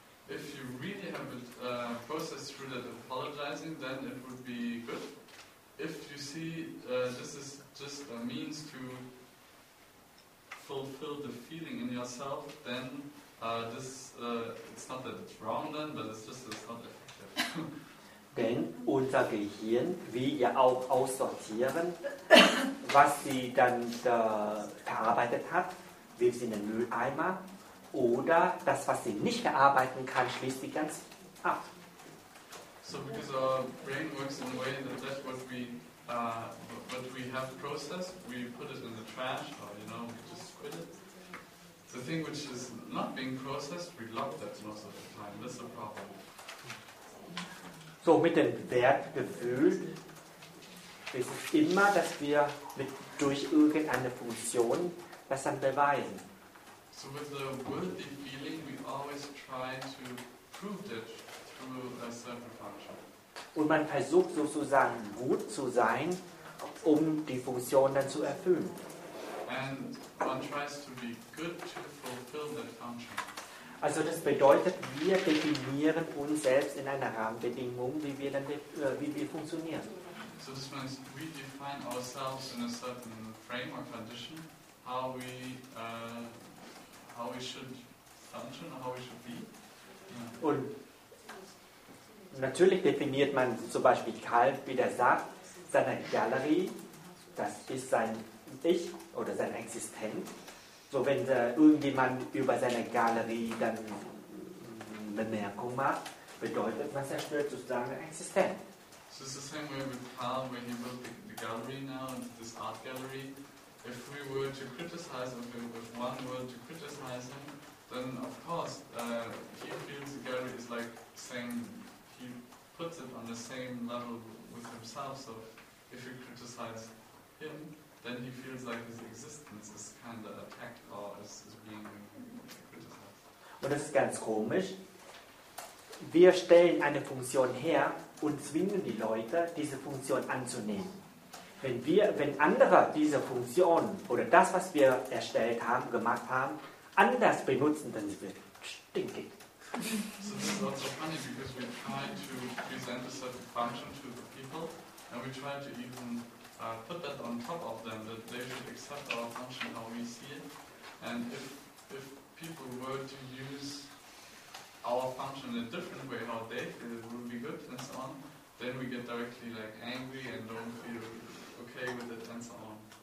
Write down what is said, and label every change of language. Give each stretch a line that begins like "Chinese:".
English: If you really have it processed through that apologizing, then it would be good. if you see this is just a means to fulfill the feeling in yourself, then this it's not that it's wrong then, but it's just it's not effective.
German: Denn unser Gehirn will ja auch aussortieren, was sie dann verarbeitet hat, wirft sie in den Mülleimer oder das, was sie nicht verarbeiten kann, schließt sie ganz ab.
English: So, because our brain works in a way that that's what we have processed, we put it in the trash or, you know, we just quit it. The thing which is not being processed, we lock that most of the time. That's the problem.
German: So, mit dem Wertgefühl ist es immer, dass wir mit, durch irgendeine Funktion das dann beweisen.
English: So, with the worthy feeling, we always try to prove that through a certain function.
German: Und man versucht sozusagen gut zu sein, um die Funktion dann zu erfüllen.
English: And one tries to be good to fulfill that function.
German: Also das bedeutet, wir definieren uns selbst in einer Rahmenbedingung, wie wir dann wie wir funktionieren.
English: So this means we define ourselves in a certain frame or condition, how we should function, how we should be. Yeah.
German: Und natürlich definiert man zum Beispiel Kalb, wie der sagt, seine Galerie, das ist sein Ich oder sein Existent. So, wenn irgendjemand über seine Galerie dann Bemerkung macht, bedeutet man zerstört sozusagen den Existent.
English: So it's the same way with Carl, when he built the gallery now, this art gallery. If we were to criticize him, with one word to criticize him, then of course he feels the gallery is like saying he puts it on the same level with himself. So if you criticize him, then he feels like his existence is kind of attacked or is being criticized.
German: Und das ist ganz komisch. Wir stellen eine Funktion her und zwingen die Leute, diese Funktion anzunehmen. Wenn andere diese Funktion oder das, was wir erstellt haben, gemacht haben, anders benutzen, dann wird es stinkig.
English: So this is also funny, because we try to present a certain function to the people and we try to even put that on top of them, that they should accept our function how we see it. And if people were to use our function in a different way, how they feel it would be good and so on, then we get directly like angry and don't feel okay with it and so on.